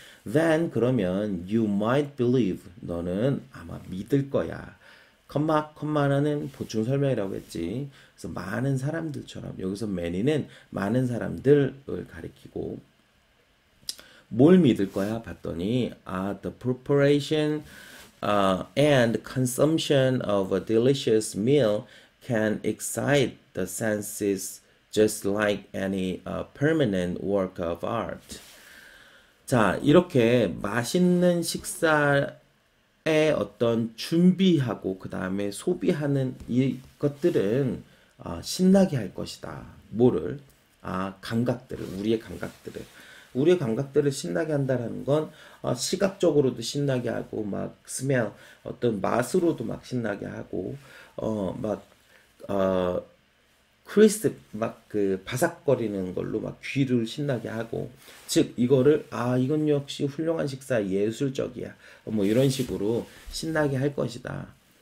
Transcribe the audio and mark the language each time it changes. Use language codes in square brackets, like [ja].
[en] Then, [ko] 그러면, [en] you might believe, [ko] 너는 아마 믿을 거야. 콤마는 보충 설명이라고 했지. 그래서 많은 사람들처럼, 여기서 many는 많은 사람들을 가리키고, 뭘 믿을 거야? [en] 봤더니, the preparation, and consumption of a delicious meal can excite the senses just like any, permanent work of art. [ko] 자, 이렇게 맛있는 식사의 어떤 준비하고, 그 다음에 소비하는 이것들은, 신나게 할 것이다. 뭐를? 아, 감각들을, 우리의 감각들을. 우리의 감각들을 신나게 한다는 건 시각적으로도 신나게 하고 막 스멜 어떤 맛으로도 막 신나게 하고 어막어 크리스 막그 바삭거리는 걸로 막 귀를 신나게 하고 즉 이거를 아 이건 역시 훌륭한 식사 예술적이야 뭐 이런 식으로 신나게 할 것이다.